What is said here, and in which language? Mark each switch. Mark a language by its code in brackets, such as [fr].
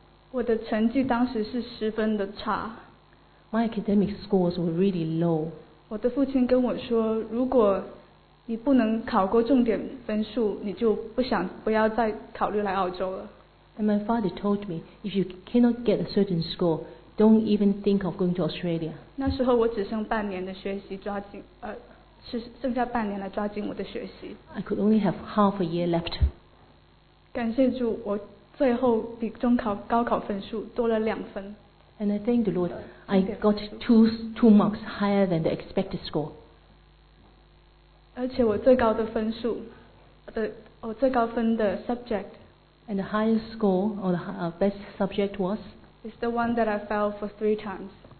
[zh] 我的成绩当时是十分的差。 [en] My academic scores were really low. [zh] 我的父亲跟我说，如果你不能考过重点分数，你就不要再考虑来澳洲了。 [en] And my father told me, if you cannot get a certain score, don't even think of going to Australia. [zh] 那时候我只剩半年的学习，抓紧是剩下半年来抓紧我的学习。 [en] I could only have half a year left. [zh] 感谢主，我最后比中考高考分数多了2分。 [en] And I thank the Lord, I got two marks higher than the expected score. [zh] 而且我最高的分数的我最高分的 subject. [en] And the highest score or the best subject was? Is the one that I failed for 3 times.